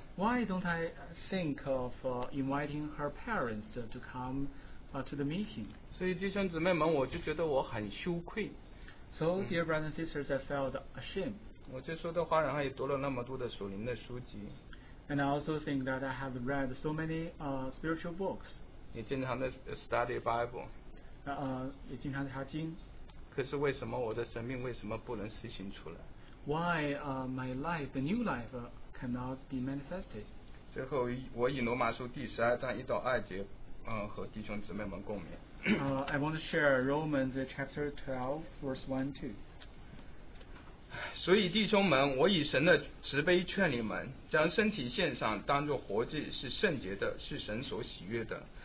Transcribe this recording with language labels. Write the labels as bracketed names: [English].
[English] Why don't I think of inviting her parents to come to the meeting? [Chinese] 所以弟兄姊妹们，我就觉得我很羞愧。 [English] So dear brothers and sisters, I felt ashamed. [Chinese] 我就说的话，然后也读了那么多的属灵的书籍。 [English] And I also think that I have read so many spiritual books. [Chinese] 也经常的 [English] study Bible. [Chinese] 也经常查经。可是为什么我的生命为什么不能实行出来？ [English] Why my life, the new life, cannot be manifested? [Chinese] 最后，我以罗马书第十二章一到二节，和弟兄姊妹们共勉。 [English] I want to share Romans chapter 12, verse 1 to 2. [Chinese] 所以弟兄们，我以神的慈悲劝你们，将身体献上，当作活祭，是圣洁的，是神所喜悦的。